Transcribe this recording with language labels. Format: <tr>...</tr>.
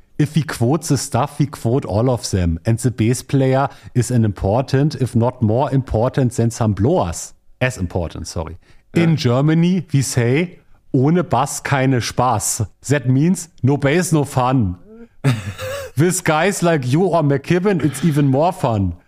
<en>If we quote the stuff, we quote all of them. And the bass player is an important, if not more important than some blowers. As important, sorry. In Germany, we say,</en> <de>ohne Bass keine Spaß.</de> <en>That means no bass, no fun. With guys like you or McKibben, it's even more fun.</en>